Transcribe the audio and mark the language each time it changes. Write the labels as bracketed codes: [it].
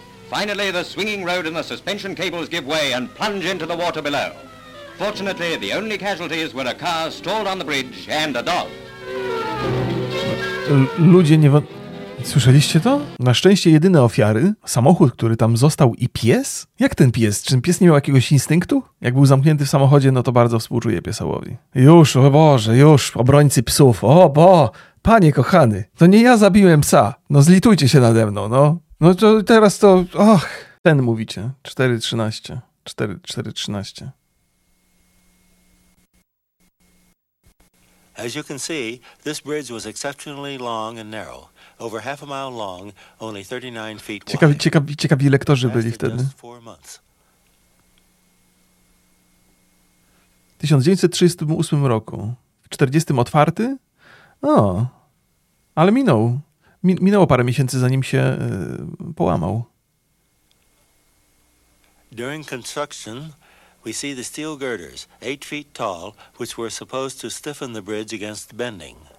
[en] Finally, the swinging road and the suspension cables give way and plunge into the water below. Fortunately, the only casualties were a car stalled on the bridge and a dog. [pl] Ludzie nie... Słyszeliście to? Na szczęście jedyne ofiary, samochód, który tam został i pies? Jak ten pies? Czy pies nie miał jakiegoś instynktu? Jak był zamknięty w samochodzie, no to bardzo współczuję piesołowi. Już, o Boże, już, obrońcy psów, o bo, panie kochany, to nie ja zabiłem psa, no zlitujcie się nade mną, no. No to teraz to, och, ten mówicie, 4.13, 4.13. [en] As you can see, this bridge was exceptionally long and narrow. Over half a mile long, only 39 feet wide. [pl] Ciekawi lektorzy byli wtedy. 1938 roku. W 40 otwarty? O, ale minął. Minęło parę miesięcy, zanim się połamał. [en] During construction, we see the steel girders, 8 feet tall, which were supposed to stiffen the bridge against bending.